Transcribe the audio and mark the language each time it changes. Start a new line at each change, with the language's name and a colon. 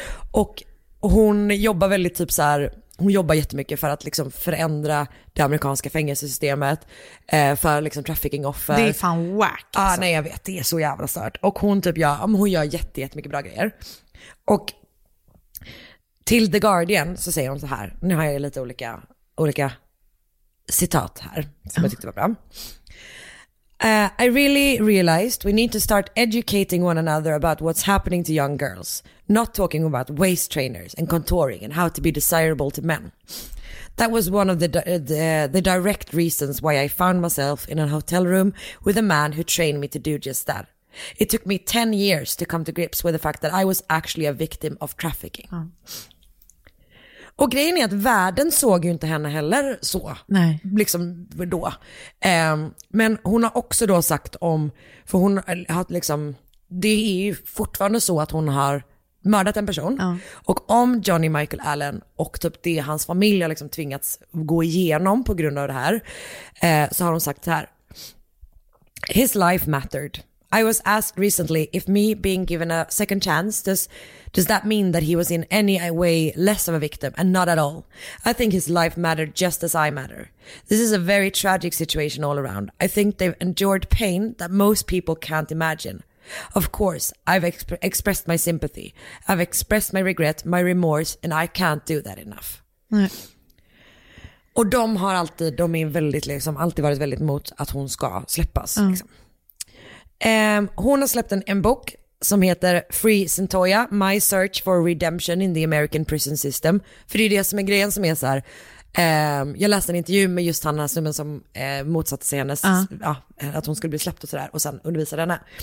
Swedish: Och hon jobbar väldigt typ så här. Hon jobbar jättemycket för att liksom förändra det amerikanska fängelsesystemet för liksom trafficking offer. Det är fan whack. Ah, nej, jag vet, det är så jävla stört. Och hon typ hon gör jättemycket bra grejer. Och till The Guardian så säger hon så här. Nu har jag lite olika citat här som jag tyckte var bra.
English: I really realized we need to start educating one another about what's happening to young girls, not talking about waist trainers and contouring and how to be desirable to men. That was one of the direct reasons why I found myself in a hotel room with a man who trained me to do just that. It took me 10 years to come to grips with the fact that I was actually a victim of trafficking. Mm.
Swedish: Och grejen är att världen såg ju inte henne heller så. Nej. Liksom då. Men hon har också då sagt om, för hon har liksom, det är ju fortfarande så att hon har mördat en person. Ja. Och om Johnny Michael Allen och typ det hans familj har liksom tvingats gå igenom på grund av det här, så har hon sagt så här.
English: His life mattered. I was asked recently if me being given a second chance, does that mean that he was in any way less of a victim? And not at all. I think his life mattered just as I matter. This is a very tragic situation all around. I think they've endured pain that most people can't imagine. Of course, I've expressed my sympathy, I've expressed my regret, my remorse, and I can't do that enough.
Swedish: Nej. Och de har alltid, de är väldigt liksom, alltid varit väldigt mot att hon ska släppas. Mm. Liksom. Hon har släppt en bok som heter Free Cyntoia, My Search for Redemption in the American Prison System. För det är det som är grejen, som är så här. Jag läste en intervju med just han här snubben som motsatte sig hennes, att hon skulle bli släppt och sådär, och sen undervisade henne.